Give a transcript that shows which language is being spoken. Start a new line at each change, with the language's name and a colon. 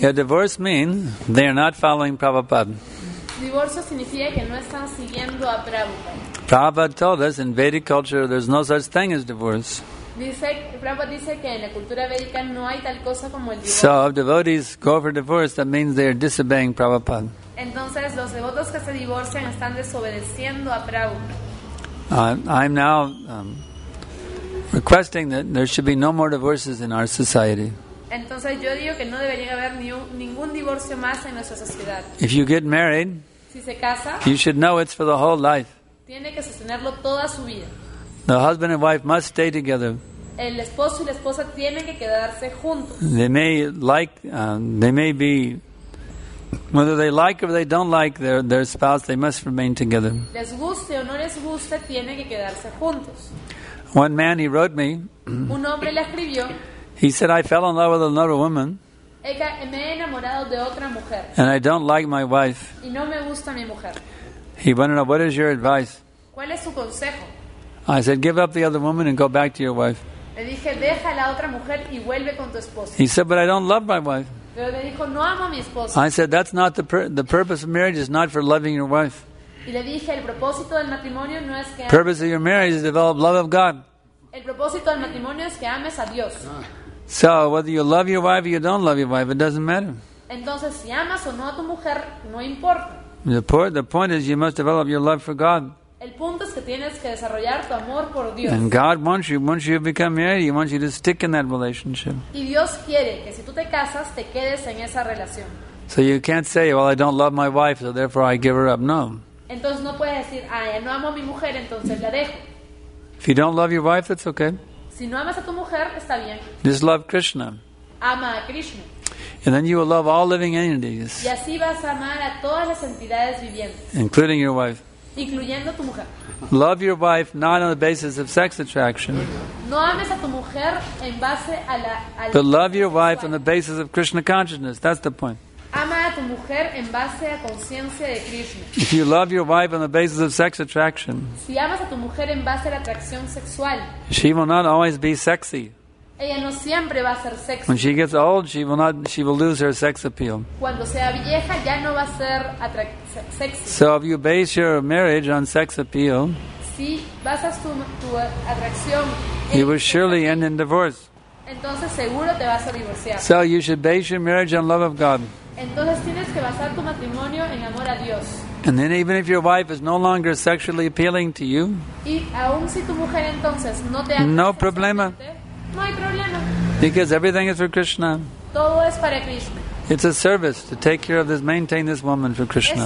English: Yeah, divorce means they are not following Prabhupada.
Spanish: Divorcio significa que no están siguiendo a Prabhupada.
English: Prabhupada told us in Vedic culture there's no such thing as divorce.
Spanish: Prabhupada dice que en la cultura védica no hay tal cosa como el divorcio.
English: So if devotees go for divorce, that means they are disobeying Prabhupada.
Spanish: Entonces los devotos que se divorcian están desobedeciendo a Prabhupada.
English: I'm now requesting that there should be no more divorces in our society.
Spanish: Entonces yo digo que no debería haber ningún divorcio más en nuestra sociedad.
English: If you get married,
Spanish: si se casa,
English: you should know it's for the whole life.
Spanish: Tiene que sostenerlo toda su vida.
English: The husband and wife must stay together.
Spanish: El esposo y la esposa tienen que quedarse juntos.
English: Whether they like or they don't like their spouse, they must remain together.
Spanish: Les guste o no les guste, tienen que quedarse juntos.
English: One man, he wrote me.
Spanish: Un hombre le escribió.
English: He said, I fell in love with another woman.
Spanish: Me he enamorado de otra mujer.
English: And I don't like my wife.
Spanish: Y no me gusta mi mujer.
English: He wanted to know, what is your advice?
Spanish: ¿Cuál es su consejo?
English: I said, give up the other woman and go back to your wife.
Spanish: Le dije, deja a la otra mujer y vuelve con tu esposa.
English: He said, but I don't love my wife.
Spanish: Pero le dijo, no amo a mi esposa.
English: I said, that's not the purpose of marriage is not for loving your wife.
Spanish: Y le dije, el propósito del matrimonio no es que...
English: purpose of your marriage is to develop love of God.
Spanish: El propósito del matrimonio es que ames a Dios.
English: So whether you love your wife or you don't love your wife, it doesn't matter.
Spanish: Entonces, si amas o no a tu mujer, no importa.
English: The point is you must develop your love for God.
Spanish: El punto es que tienes que desarrollar tu amor por Dios.
English: And God wants you. Once you become married, He wants you to stick in that relationship.
Spanish: Y Dios quiere que si tú te casas, te quedes en esa relación.
English: So you can't say, "Well, I don't love my wife, so therefore I give her up."
Spanish: No. Entonces no puedes decir, "Ah, ya no amo a mi mujer, entonces la dejo."
English: If you don't love your wife, that's okay.
Spanish: Si no amas a tu mujer, está bien.
English: Just love Krishna.
Spanish: Ama a Krishna.
English: And then you will love all living entities.
Spanish: Y así vas a amar a todas las entidades vivientes.
English: Including your wife.
Spanish: Incluyendo tu mujer.
English: Love your wife not on the basis of sex attraction.
Spanish: No ames a tu mujer en base a la.
English: But love your wife on the basis of Krishna consciousness. That's the point.
Spanish: Ama a tu mujer en base a conciencia de Krishna.
English: If you love your wife on the basis of sex attraction.
Spanish: Si amas a tu mujer en base a la atracción sexual.
English: She will not always be sexy.
Spanish: Ella no siempre va a ser sexy.
English: When she gets old, she will lose her sex appeal.
Spanish: Cuando sea vieja, ya no va a ser sexy.
English: So if you base your marriage on sex appeal,
Spanish: si basas tu atracción,
English: you will surely end in divorce.
Spanish: Entonces seguro te vas a divorciar.
English: So you should base your marriage on love of God.
Spanish: Entonces tienes que basar tu matrimonio en amor a Dios.
English: And then even if your wife is no longer sexually appealing to you,
Spanish: y aun si tu mujer, entonces, no te no problema. No hay problema.
English: Because everything is for Krishna.
Spanish: Todo es para Krishna.
English: It's a service to take care of this, maintain this woman for Krishna.